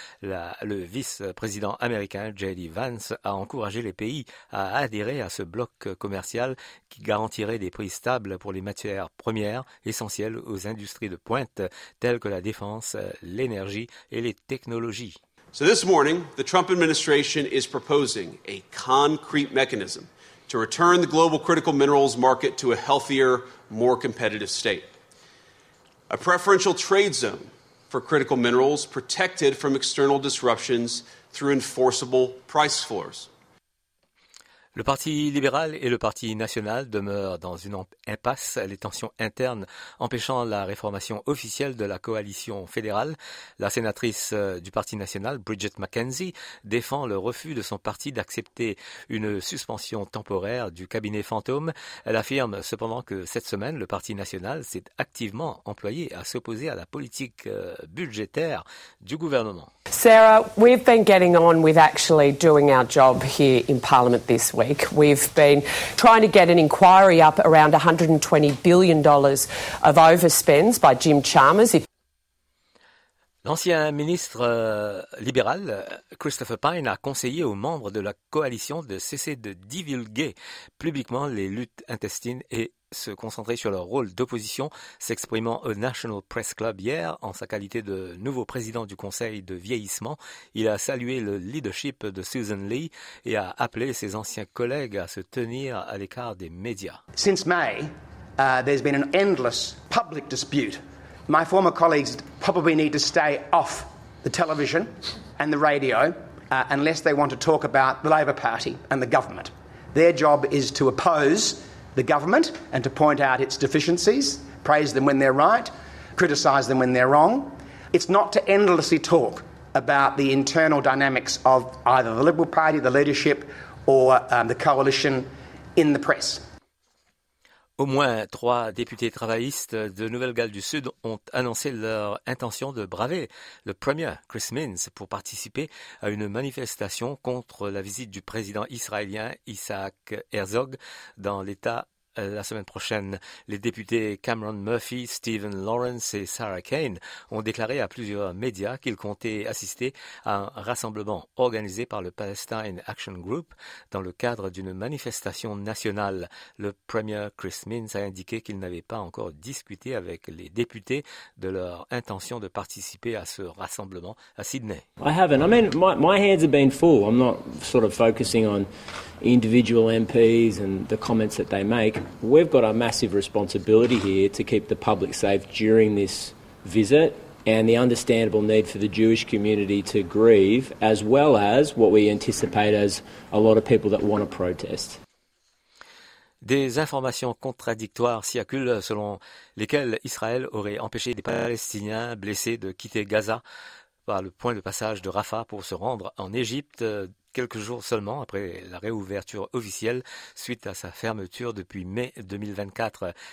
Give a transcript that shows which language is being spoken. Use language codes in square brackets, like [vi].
[fr] Le vice-président américain J.D. Vance a encouragé les pays à adhérer à ce bloc commercial qui garantirait des prix stables pour les matières premières essentielles aux industries de pointe telles que la défense, l'énergie et les technologies. [en] So this morning, the Trump administration is proposing a concrete mechanism to return the global critical minerals market to a healthier, more competitive state. A preferential trade zone for critical minerals protected from external disruptions through enforceable price floors. [fr] Le Parti libéral et le Parti national demeurent dans une impasse, les tensions internes empêchant la réformation officielle de la coalition fédérale. La sénatrice du Parti national, Bridget McKenzie, défend le refus de son parti d'accepter une suspension temporaire du cabinet fantôme. Elle affirme cependant que cette semaine, le Parti national s'est activement employé à s'opposer à la politique budgétaire du gouvernement. [en] Sarah, we've been getting on with actually doing our job here in Parliament this week. We've been trying to get an inquiry up around $120 billion of overspends by Jim Chalmers. [fr] L'ancien ministre libéral Christopher Pyne a conseillé aux membres de la coalition de cesser de divulguer publiquement les luttes intestines et se concentrer sur leur rôle d'opposition, s'exprimant au National Press Club hier en sa qualité de nouveau président du Conseil de vieillissement. Il a salué le leadership de Susan Lee et a appelé ses anciens collègues à se tenir à l'écart des médias. [en] Since May, there's been an endless public dispute. My former colleagues probably need to stay off the television and the radio unless they want to talk about the Labour Party and the government. Their job is to oppose the government and to point out its deficiencies, praise them when they're right, criticise them when they're wrong. It's not to endlessly talk about the internal dynamics of either the Liberal Party, the leadership, or the coalition in the press. [fr] Au moins trois députés travaillistes de Nouvelle-Galles du Sud ont annoncé leur intention de braver le Premier Chris Minns pour participer à une manifestation contre la visite du président israélien Isaac Herzog dans l'État la semaine prochaine. Les députés Cameron Murphy, Stephen Lawrence et Sarah Kane ont déclaré à plusieurs médias qu'ils comptaient assister à un rassemblement organisé par le Palestine Action Group dans le cadre d'une manifestation nationale. Le Premier Chris Minns a indiqué qu'il n'avait pas encore discuté avec les députés de leur intention de participer à ce rassemblement à Sydney. [en] I haven't. I mean, my hands have been full. I'm not sort of focusing on individual MPs and the comments that they make. We've got a massive responsibility here to keep the public safe during this visit and the understandable need for the Jewish community to grieve, as well as what we anticipate as a lot of people that want to protest. [fr] Des informations contradictoires circulent selon lesquelles Israël aurait empêché des Palestiniens blessés de quitter Gaza par le point de passage de Rafah pour se rendre en Égypte quelques jours seulement après la réouverture officielle suite à sa fermeture depuis mai 2024.